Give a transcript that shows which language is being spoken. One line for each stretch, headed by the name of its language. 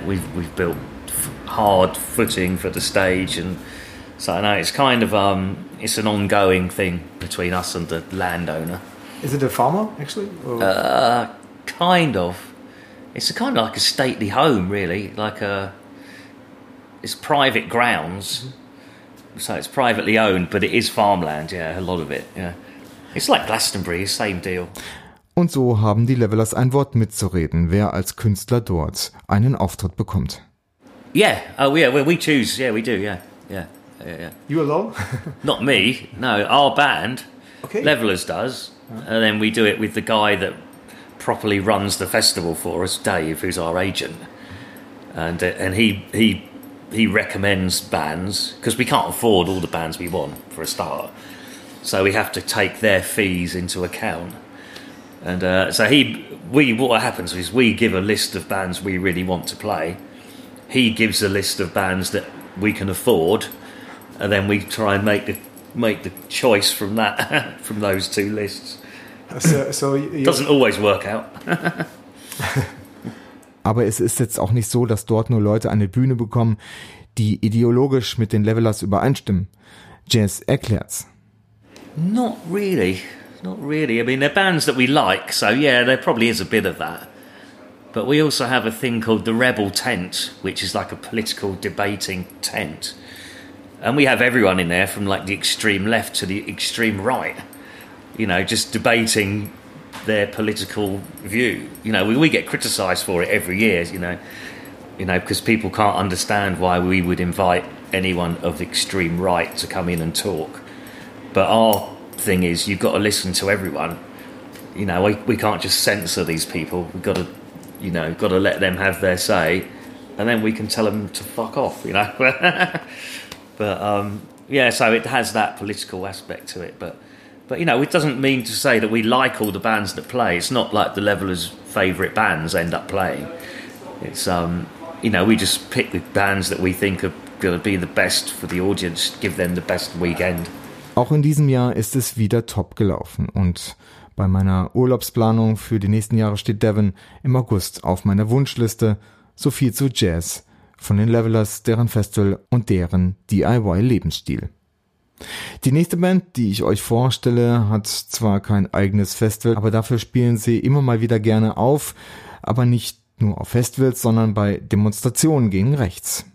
English: We've built hard footing for the stage, and so I know it's kind of it's an ongoing thing between us and the landowner. Is it a farmer actually? Kind of. It's a kind of like a stately home, really. It's private grounds, so it's privately owned, but it is farmland. Yeah, a lot of it. Yeah. It's like Glastonbury, same deal.
German: Und so haben die Levelers ein Wort mitzureden, wer als Künstler dort einen Auftritt bekommt.
English: Yeah, oh yeah, well, we choose, yeah, we do, yeah. You alone? Not me, no, our band, okay. Levelers does, and then we do it with the guy that properly runs the festival for us, Dave, who's our agent, and he recommends bands, because we can't afford all the bands we want, for a start. So we have to take their fees into account. And what happens is we give a list of bands we really want to play. He gives a list of bands that we can afford. And then we try and make the choice from that, from those two lists. So doesn't always work out.
German: aber es ist jetzt auch nicht so, dass dort nur Leute eine Bühne bekommen, die ideologisch mit den Levelers übereinstimmen. Jazz erklärt's.
English: Not really. Not really. I mean, they're bands that we like, so yeah, there probably is a bit of that. But we also have a thing called the Rebel Tent, which is like a political debating tent. And we have everyone in there from like the extreme left to the extreme right, you know, just debating their political view. You know, we get criticised for it every year, you know, because people can't understand why we would invite anyone of extreme right to come in and talk. But our thing is, you've got to listen to everyone. You know, we can't just censor these people. We've got to, you know, got to let them have their say, and then we can tell them to fuck off, you know. But yeah, so it has that political aspect to it. But you know, it doesn't mean to say that we like all the bands that play. It's not like the Levellers' favourite bands end up playing. It's you know, we just pick the bands that we think are going to be the best for the audience, give them the best weekend.
German: Auch in diesem Jahr ist es wieder top gelaufen, und bei meiner Urlaubsplanung für die nächsten Jahre steht Devon im August auf meiner Wunschliste. So viel zu Jazz von den Levelers, deren Festival und deren DIY-Lebensstil. Die nächste Band, die ich euch vorstelle, hat zwar kein eigenes Festival, aber dafür spielen sie immer mal wieder gerne auf, aber nicht nur auf Festivals, sondern bei Demonstrationen gegen rechts.